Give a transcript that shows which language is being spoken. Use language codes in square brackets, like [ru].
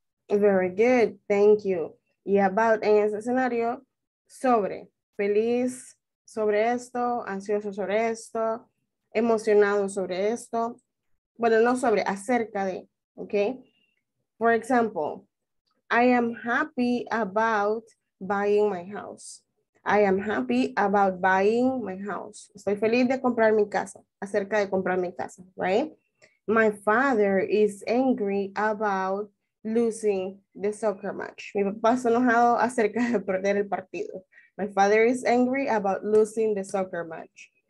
[en] Very good, thank you. [es] Y about, en ese escenario, sobre, feliz sobre esto, ansioso sobre esto, emocionado sobre esto. Bueno, no sobre, acerca de, okay? [en] For example, I am happy about buying my house. I am happy about buying my house. [es] Estoy feliz de comprar mi casa, acerca de comprar mi casa, right? [en] My father is angry about losing the soccer match. [es] Mi papá está enojado acerca de perder el partido. [en] My father is angry about losing the soccer match.